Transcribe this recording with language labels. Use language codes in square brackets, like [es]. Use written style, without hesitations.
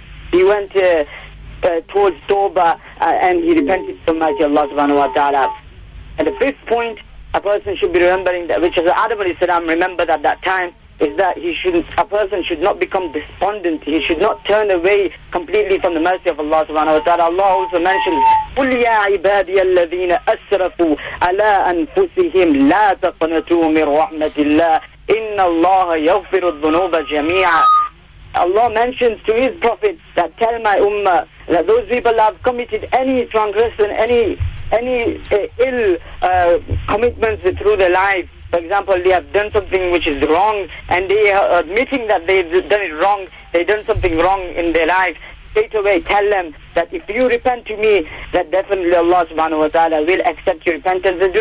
[en] He went towards Tawbah and he repented so much to Allah subhanahu wa ta'ala. And the fifth point, a person should be remembering that, which is Adam alayhi salam remembered at that time, is that a person should not become despondent. He should not turn away completely from the mercy of Allah subhanahu wa ta'ala. Allah also mentions, [ar] قُلْ يَا عِبَادِيَ الَّذِينَ أَسْرَفُوا عَلَىٰ أَنفُسِهِمْ لَا تَقْنَتُوا مِنْ رَحْمَةِ اللَّهِ إِنَّ اللَّهَ يَغْفِرُ الذُّنُوبَ جَمِيعًا. [en] Allah mentions to his prophet that tell my ummah that those people that have committed any transgression, any ill commitments through their life, for example, they have done something which is wrong and they are admitting that they've done something wrong in their life, straight away tell them that if you repent to me, that definitely Allah subhanahu wa ta'ala will accept your repentance.